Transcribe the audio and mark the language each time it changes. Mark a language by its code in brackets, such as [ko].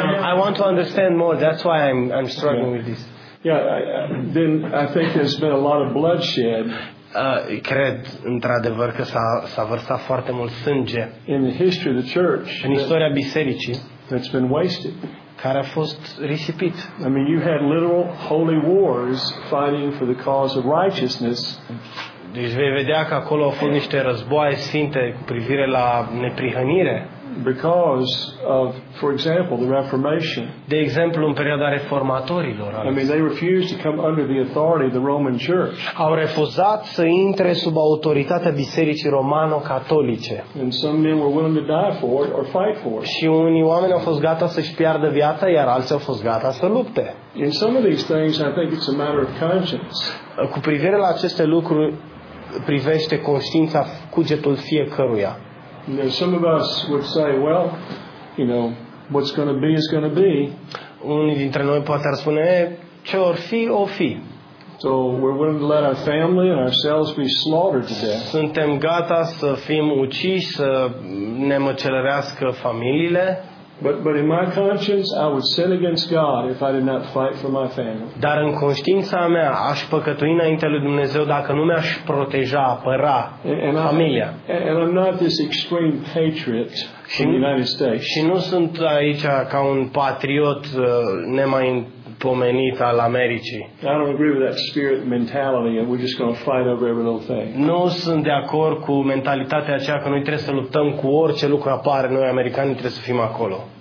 [en] I want to understand more. That's why I'm struggling with this. Yeah, then I think there's been a lot of bloodshed. [ro] Cred, într-adevăr, că s-a vărsat foarte mult sânge. [en] In the history of the church. [ro] În istoria bisericii. [en] That's been wasted. [ro] Care a fost risipit. [en] I mean, you had literal holy wars fighting for the cause of righteousness. [ro] Deci vei vedea că acolo au fost niște războaie sfinte cu privire la neprihănire. [en] Because of, for example, the Reformation. [ro] De exemplu, în perioada reformatorilor. [en] I mean, they refused to come under the authority of the Roman Church. [ro] Au refuzat să intre sub autoritatea Bisericii Romano-Catolice. [en] And some men were willing to die for it or fight for it. [ro] Și unii oameni au fost gata să-și piardă viața, iar alții au fost gata să lupte. [en] In some of these things, I think it's a matter of conscience. [ro] Cu privire la aceste lucruri, privește conștiința, cugetul fiecăruia. [en] Some of us would say, well, you know, what's going to be is going to be. [ro] Unii dintre noi poate ar spune, ce or fi, o fi. [en] So we're willing to let our family and ourselves be slaughtered to death. [ro] Suntem gata să fim uciși, să ne măcelărească familiile. [en] But in my conscience, I would sin against God if I did not fight for my family. [ro] Dar în conștiința mea, aș păcătui înainte lui Dumnezeu dacă nu mi-aș proteja, apăra familia. [en] And I'm not this extreme patriot from the United States. [ro] Și nu sunt aici ca un patriot nemai pomenit al Americii. [en] I don't agree with that spirit mentality and we're just going to fight over every little thing. [ro] Nu sunt de acord cu mentalitatea aceea că noi trebuie să luptăm cu orice lucru apare, noi americanii trebuie să fim acolo.